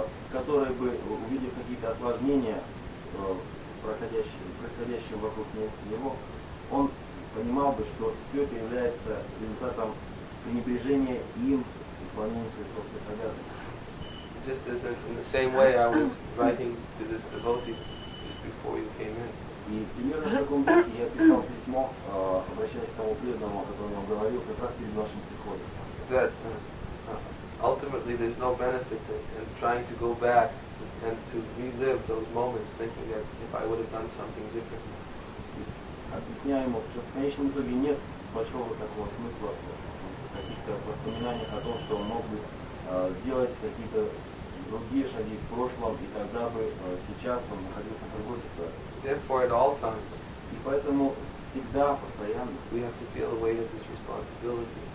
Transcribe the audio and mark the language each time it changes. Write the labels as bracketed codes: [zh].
[ru] Который бы, увидев какие-то осложнения, проходящие вокруг него, он понимал бы, что все это является результатом пренебрежения им и выполнения своих собственных обязанностей. [en] Just as in the same way I was writing to this devotee just before you came in. [ru] И примерно в таком духе я писал письмо, обращаясь к тому преданному, о котором я говорил, как раз перед нашим приходом. [en] Ultimately, there's no benefit in trying to go back and to relive those moments, thinking that if I would have done something differently. [ru] Объясняем, что в конечном итоге нет большого такого смысла каких-то воспоминаний о том, что он мог бы сделать какие-то другие шаги в прошлом, и тогда бы сейчас он находился в другой ситуации. [en] Therefore, at all times. [ru] И поэтому всегда, постоянно. [en] We have to feel the weight of this responsibility.